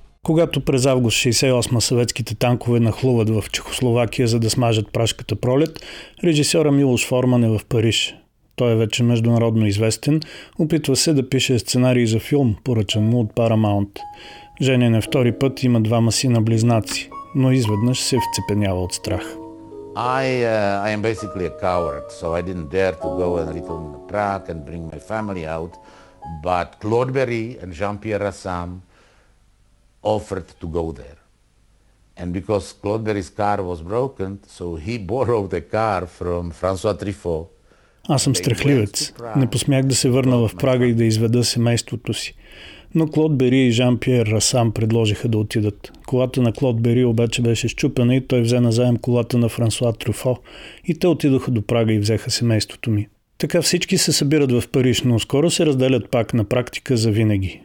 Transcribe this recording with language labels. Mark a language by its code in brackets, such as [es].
[bg] Когато през август 68 съветските танкове нахлуват в Чехословакия, за да смажат прашката пролет, режисьора Милош Форман е в Париж. Той е вече международно известен, опитва се да пише сценарий за филм, поръчан му от Paramount. Женен е втори път, има двама сина близнаци, но изведнъж се вцепенява от страх. [en] I am basically a coward, so I didn't dare to go and return the truck and bring my family out, but Claude Berry and Jean-Pierre Rassam offered to go there. And because Claude Berry's car was broken, so he borrowed a car from François Truffaut. [bg] Аз съм страхливец. Не посмях да се върна в Прага и да изведа семейството си. Но Клод Бери и Жан-Пьер Расам предложиха да отидат. Колата на Клод Бери обаче беше счупена и той взе назаем колата на Франсуа Трюфо. И те отидоха до Прага и взеха семейството ми. Така всички се събират в Париж, но скоро се разделят пак на практика за винаги.